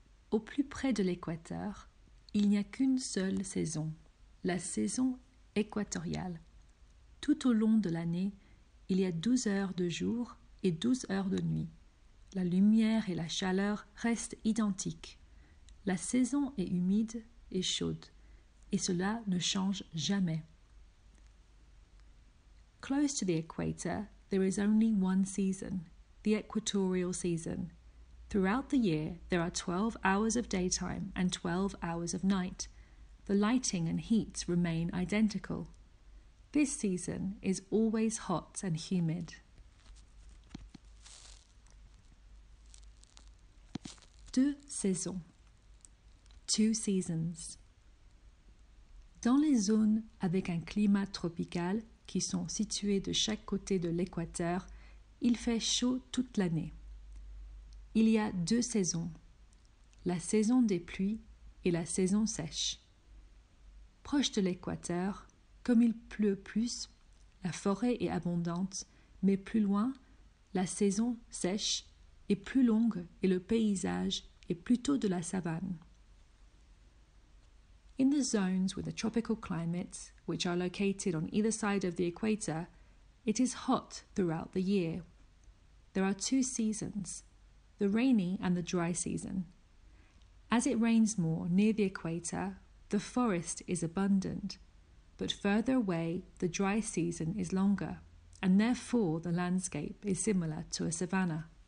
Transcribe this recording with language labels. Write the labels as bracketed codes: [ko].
[fr] Au plus près de l'équateur, il n'y a qu'une seule saison, la saison équatoriale. Tout au long de l'année, il y a 12 heures de jour et 12 heures de nuit. La lumière et la chaleur restent identiques. La saison est humide et chaude, et cela ne change jamais. [en] Close to the equator, there is only one season, the equatorial season. Throughout the year, there are 12 hours of daytime and 12 hours of night. The lighting and heat remain identical. This season is always hot and humid. [fr] Deux saisons. [en] Two seasons. [fr] Dans les zones avec un climat tropical qui sont situées de chaque côté de l'équateur, Il fait chaud toute l'année. Il y a deux saisons, la saison des pluies et la saison sèche. Proche de l'équateur, comme il pleut plus, la forêt est abondante, mais plus loin, la saison sèche est plus longue et le paysage est plutôt de la savane. [en] In the zones with a tropical climate, which are located on either side of the equator, it is hot throughout the year. There are two seasons, the rainy and the dry season. As it rains more near the equator, the forest is abundant, but further away, the dry season is longer, and therefore the landscape is similar to a savanna.